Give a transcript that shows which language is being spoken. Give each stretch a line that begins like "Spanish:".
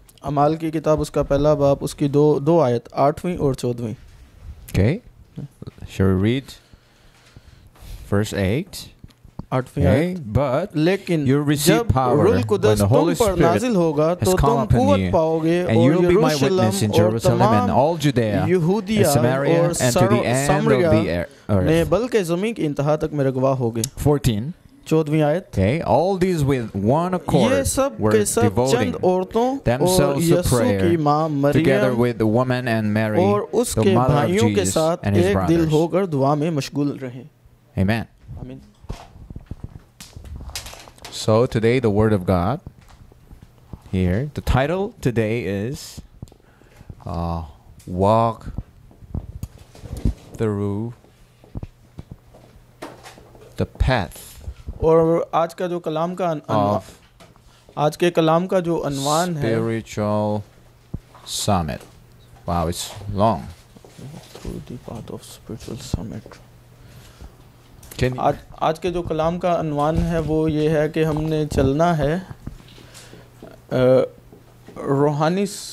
Urdu: عمال کی کتاب اس کا پہلا باب اس کی دو آیت 8ویں اور 14ویں.
English: Okay. Shall we read verse 8?
Urdu: 8ویں آیت.
English: But
Urdu: لیکن
English: you receive
Urdu: جب
English: power
Urdu: رول قدس تم پر نازل ہوگا تو تم قوت پاؤ گے
English: and you will be my witness in Jerusalem and all Judea and Samaria and to the end of the earth.
Urdu: نہیں بلکہ زمین کی انتہا تک میرے گواہ ہوگے.
English: 14. Okay, all these with one accord were devoting themselves to prayer together with the woman and Mary, the mother of Jesus and his brothers. Amen. So today the word of God here, the title today is Walk Through the Path.
Urdu: اور آج کا جو کلام کا آج کے کلام کا جو عنوان ہے
English: spiritual summit. Wow, it's long. Through the path of spiritual summit. Can
Urdu: آج کے جو کلام کا عنوان ہے وہ یہ ہے کہ ہم نے چلنا ہے روحانی